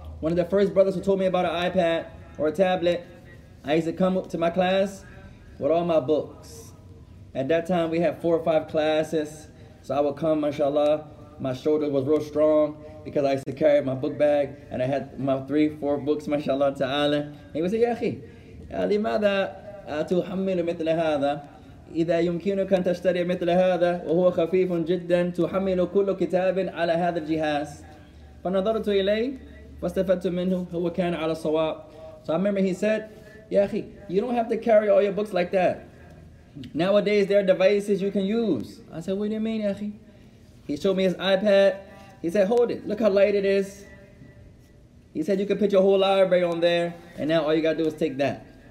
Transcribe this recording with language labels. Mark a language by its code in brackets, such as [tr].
[en] One of the first brothers who told me about an iPad or a tablet, I used to come up to my class with all my books. At that time, we had 4 or 5 classes. So I would come, mashallah, my shoulder was real strong because I used to carry my book bag and I had my 3-4 books, mashallah, ta'ala. He would say, Ya akhi, [ar] لماذا تحمل مثل هذا؟ إذا يمكنك أن تشتري مثل هذا وهو خفيف جدا تحمل كل كتاب على هذا الجهاز. فنظرت إليه واستفدت منه هو كان على الصواب. [en] So I remember he said, Ya akhi, you don't have to carry all your books like that. Nowadays, there are devices you can use. I said, what do you mean, Yahi? He showed me his iPad. He said, hold it. Look how light it is. He said, you can put your whole library on there, and now all you got to do is take that.